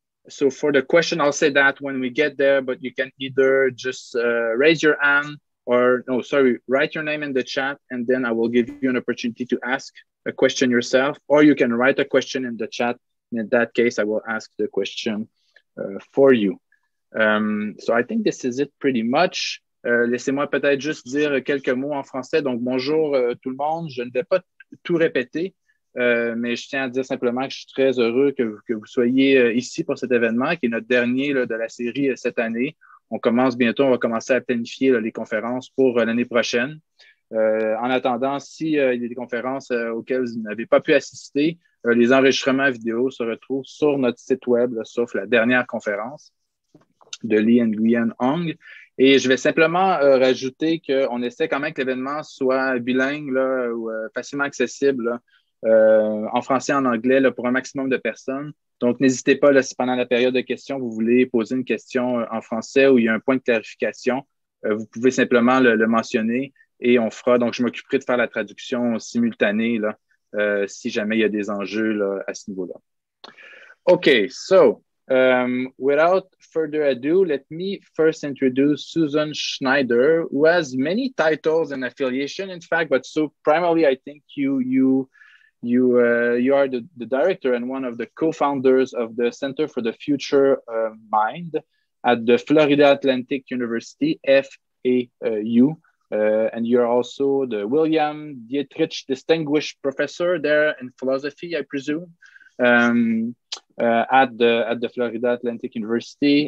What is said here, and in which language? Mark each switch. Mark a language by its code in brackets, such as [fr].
[en] So for the question, I'll say that when we get there, but you can either just raise your hand write your name in the chat, and then I will give you an opportunity to ask a question yourself, or you can write a question in the chat. And in that case, I will ask the question for you. So I think this is it pretty much. [fr] Laissez-moi peut-être juste dire quelques mots en français. Donc, bonjour tout le monde. Je ne vais pas tout répéter, mais je tiens à dire simplement que je suis très heureux que vous soyez ici pour cet événement, qui est notre dernier là, de la série cette année. On commence bientôt, on va commencer à planifier là, les conférences pour l'année prochaine. En attendant, si il y a des conférences auxquelles vous n'avez pas pu assister, les enregistrements vidéo se retrouvent sur notre site web, là, sauf la dernière conférence de Lee Nguyen Ong. Et je vais simplement rajouter qu'on essaie quand même que l'événement soit bilingue là, ou facilement accessible là, en français, en anglais là, pour un maximum de personnes. Donc, n'hésitez pas, là, si pendant la période de questions, vous voulez poser une question en français ou il y a un point de clarification, vous pouvez simplement le mentionner et on fera. Donc, je m'occuperai de faire la traduction simultanée là, si jamais il y a des enjeux là, à ce niveau-là. [en] OK, so, without further ado, let me first introduce Susan Schneider, who has many titles and affiliation, in fact, but so primarily, I think you are the director and one of the co-founders of the Center for the Future Mind at the Florida Atlantic University, FAU, and you're also the William Dietrich Distinguished Professor there in philosophy, I presume, at the Florida Atlantic University.